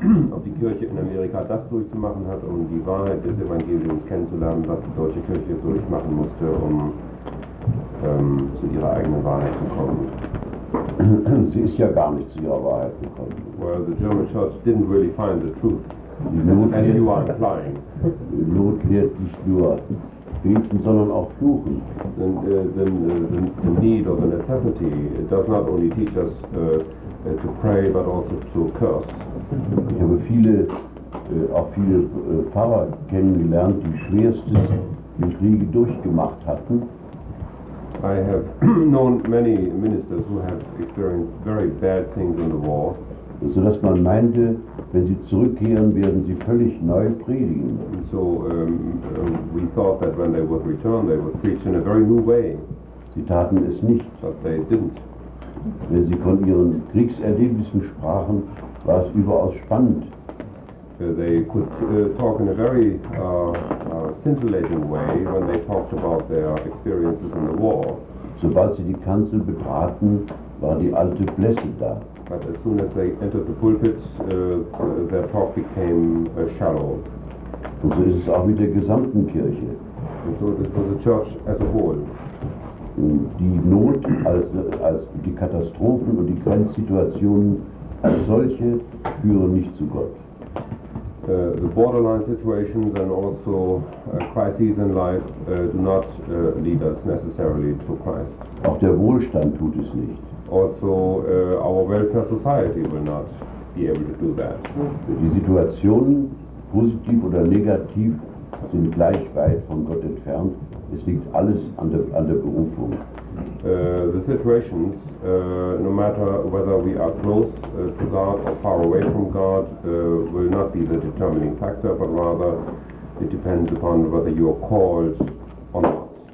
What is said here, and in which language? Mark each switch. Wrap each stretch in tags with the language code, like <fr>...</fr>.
<de>Ob die Kirche in Amerika das durchzumachen hat, um die Wahrheit des Evangeliums kennenzulernen, was die deutsche Kirche durchmachen musste, um zu ihrer eigenen Wahrheit zu kommen. Sie ist ja gar nicht zu ihrer Wahrheit gekommen.</de> <en>Well, the German church didn't really find the truth. And you are implying.</en> <de>Not lehrt nicht nur beten, sondern auch fluchen.</de> <en>The need or the necessity, it does not only teach us to pray, but also to curse.</en> <de>Ich habe viele, auch viele Pfarrer kennengelernt, die schwerstes im Kriege durchgemacht hatten.</de> <en>I have known many ministers who have experienced very bad things in the war.</en> <de>So dass man meinte, wenn sie zurückkehren, werden sie völlig neu predigen.</de> <en>So we thought that when they would return, they would preach in a very new way.</en> <de>Sie taten es nicht.</de> <en>But they didn't.</en> <de>Wenn sie von ihren Kriegserlebnissen sprachen, war es überaus spannend.</de> <en>They could talk in a very scintillating way when they talked about their experiences in the war.</en> <de>Sobald sie die Kanzel betraten, war die alte Blässe da.</de> <en>But as soon as they entered the pulpit, their talk became shallow.</en> <de>Und so ist es auch mit der gesamten Kirche.</de> <en>And so it was the church as a whole.</en> <de>Die Not, als die Katastrophen und die Grenzsituationen als solche führen nicht zu Gott.</de> <en>The borderline situations and also crises in life do not lead us necessarily to Christ.</en> <de>Auch der Wohlstand tut es nicht.</de> <en>Also our welfare society will not be able to do that.</en> <de>Die Situationen, positiv oder negativ, sind gleich weit von Gott entfernt. Es liegt alles an der Berufung.</de> <en>The situations, no matter whether we are close to God or far away from God, will not be the determining factor, but rather it depends upon whether you are called or not.</en>